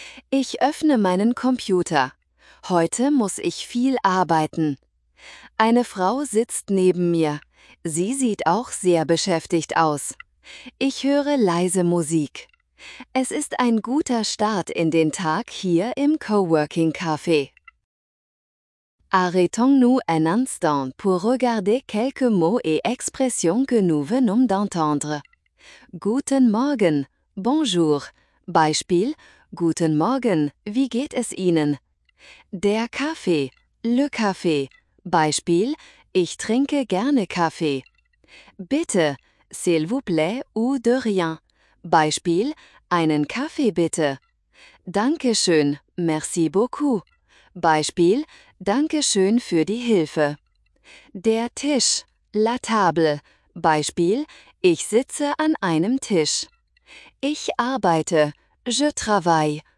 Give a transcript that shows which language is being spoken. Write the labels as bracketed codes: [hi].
[de] Ich öffne meinen Computer. Heute muss ich viel arbeiten. Eine Frau sitzt neben mir. Sie sieht auch sehr beschäftigt aus. Ich höre leise Musik. Es ist ein guter Start in den Tag hier im Coworking-Café. [fr] Arrêtons-nous un instant pour regarder quelques mots et expressions que nous venons d'entendre. [de] Guten Morgen. [fr] Bonjour. [de] Beispiel: Guten Morgen, wie geht es Ihnen? Der Kaffee, [fr] le café. [de] Beispiel, ich trinke gerne Kaffee. Bitte, [fr] s'il vous plaît ou de rien. [de] Beispiel, einen Kaffee bitte. Dankeschön, [fr] merci beaucoup. [de] Beispiel, Dankeschön für die Hilfe. Der Tisch, [fr] la table. [de] Beispiel, ich sitze an einem Tisch. Ich arbeite. [fr] Je travaille.